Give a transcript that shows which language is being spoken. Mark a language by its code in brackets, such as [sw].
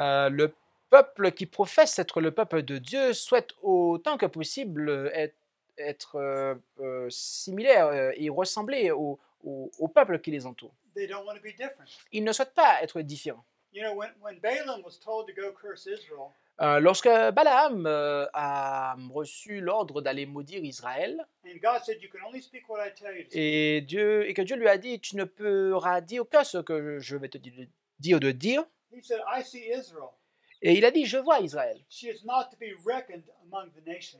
[fr] Le peuple qui professe être le peuple de Dieu souhaite autant que possible être similaire et ressembler au peuple qui les entoure. [en] They don't want to be different. [fr] Ils ne souhaitent pas être différents. [en] You know, when Balaam was told to go curse Israel, [fr] lorsque Balaam a reçu l'ordre d'aller maudire Israël, et que Dieu lui a dit, tu ne pourras dire que ce que je vais te dire de dire. [en] He said, I see Israel. [fr] Et il a dit, je vois Israël. [en] She is not to be reckoned among the nations.